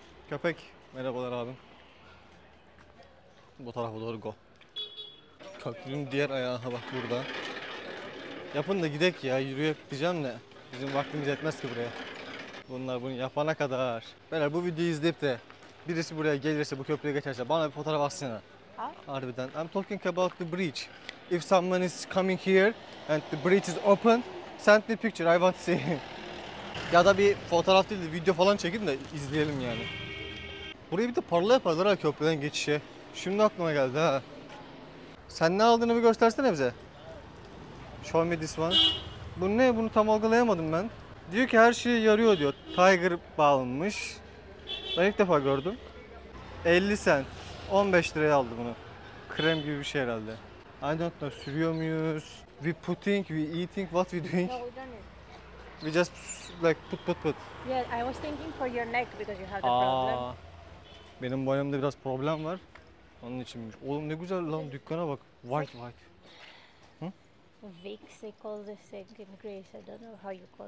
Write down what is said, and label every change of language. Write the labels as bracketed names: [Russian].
[Turkish] Köpek. Merhabalar abim. Bu tarafa doğru go. Kaktüsün diğer ayağı bak burada. Yapın da gidek ya, yürüyüp gideceğim de bizim vaktimiz yetmez ki buraya. Bunlar bunu yapana kadar. Beyler bu videoyu izleyip de birisi buraya gelirse, bu köprüye geçerse bana bir fotoğraf atsana. Harbiden. [English] I'm talking about the bridge. If someone is coming here and the bridge is open, send me picture, I want to see. [Turkish] Ya da bir fotoğraf değil de video falan çekin de izleyelim yani. Burayı bir de parla yaparlar ha köprüden geçişe. Şimdi aklıma geldi ha. Sen ne aldığını bir göstersene bize. [English] Show me this one. [Turkish] Bu ne? Bunu tam algılayamadım ben. Diyor ki her şeye yarıyor diyor. Tiger balmış. Ben ilk defa gördüm. 50 cent. 15 liraya aldı bunu. Krem gibi bir şey herhalde. [English] I don't know. [Turkish] Sürüyor muyuz? [English] We putting, we eating, what we doing? We just like put. Yeah, I was thinking for your neck because you have a problem. [Turkish] Benim boyamda biraz problem var. Onun içinmiş. Oğlum ne güzel lan, dükkana bak. [English] White white. Vicks, they call this thing in Greece. I don't know how you call